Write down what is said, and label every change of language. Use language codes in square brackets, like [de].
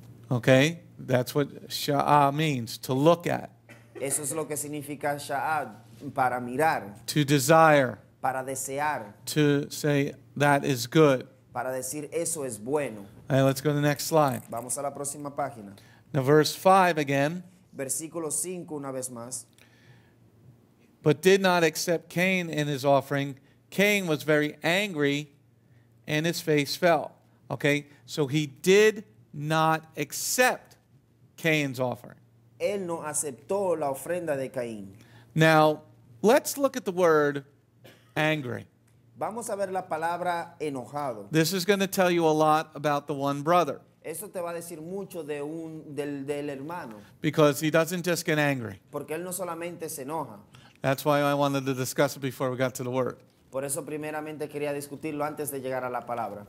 [en] Okay, that's what Sha'ah means, to look at. [es] Eso es lo que significa Sha'ah, para mirar. [en] To desire. [es] Para desear. [en] To say that is good. [es] Para decir eso es bueno. [en] All right, let's go to the next slide. [es] Vamos a la próxima página. [en] Now verse 5 again. [es] Versículo 5 una vez más. [en] But did not accept Cain in his offering. Cain was very angry and his face fell. Okay, so he did not accept Cain's offering. [es] Él no aceptó la ofrenda de Caín. [en] Now, let's look at the word angry. [es] Vamos a ver la palabra enojado. [en] This is going to tell you a lot about the one brother. [es] Eso te va a decir mucho de un, del hermano. [en] Because he doesn't just get angry. [es] Porque él no solamente se enoja. [en] That's why I wanted to discuss it before we got to the word. [es] Por eso primeramente quería discutirlo antes de llegar a la palabra.